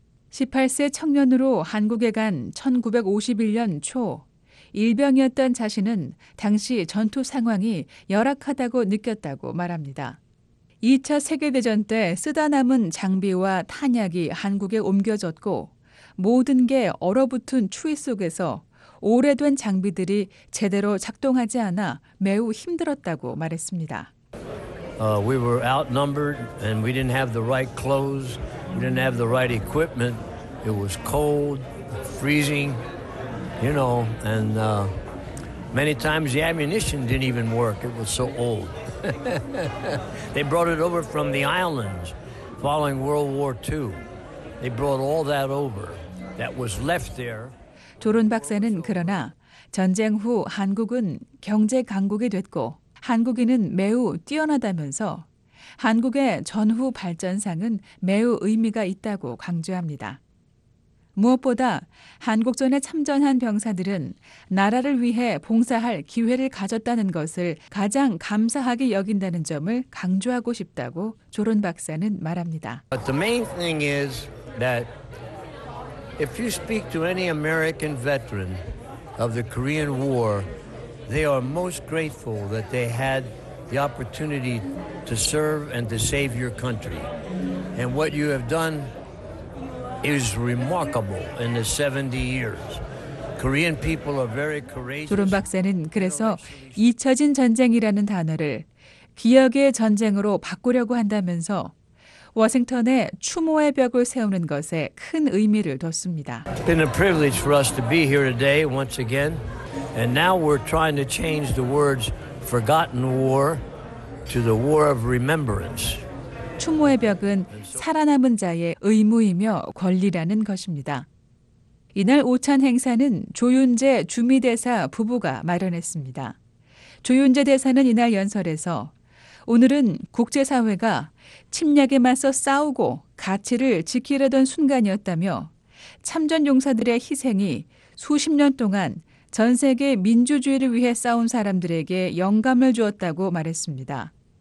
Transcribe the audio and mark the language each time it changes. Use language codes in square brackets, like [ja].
[ko] 18세 청년으로 한국에 간 1951년 초 일병이었던 자신은 당시 전투 상황이 열악하다고 느꼈다고 말합니다. 2차 세계대전 때 쓰다 남은 장비와 탄약이 한국에 옮겨졌고 모든 게 얼어붙은 추위 속에서 오래된 장비들이 제대로 작동하지 않아 매우 힘들었다고 말했습니다. [en] We were outnumbered and we didn't have the right clothes. We didn't have the right equipment. It was cold, freezing, you know, and many times the ammunition didn't even work. It was so old. They brought it over from the islands following World War II. They brought all that over that was left there. [ko] 조론 박사는 그러나 전쟁 후 한국은 경제 강국이 됐고 한국인은 매우 뛰어나다면서 한국의 전후 발전상은 매우 의미가 있다고 강조합니다. 무엇보다 한국전에 참전한 병사들은 나라를 위해 봉사할 기회를 가졌다는 것을 가장 감사하게 여긴다는 점을 강조하고 싶다고 조론 박사는 말합니다. [en] But the main thing is that if you speak to any American veteran of the Korean War, they are most grateful that they had the opportunity to serve and to save your country. And what you have done is remarkable in the 70 years. Korean people are very courageous. [ko] 조론 박사는 그래서 잊혀진 전쟁이라는 단어를 기억의 전쟁으로 바꾸려고 한다면서 워싱턴에 추모의 벽을 세우는 것에 큰 의미를 뒀습니다. [en] It's been a privilege for us to be here today once again. And now we're trying to change the words forgotten war to the war of remembrance. [ko] 추모의 벽은 살아남은 자의 의무이며 권리라는 것입니다. 이날 오찬 행사는 조윤재 주미대사 부부가 마련했습니다. 조윤재 대사는 이날 연설에서 오늘은 국제사회가 침략에 맞서 싸우고 가치를 지키려던 순간이었다며 참전용사들의 희생이 수십 년 동안 전 세계 민주주의를 위해 싸운 사람들에게 영감을 주었다고 말했습니다.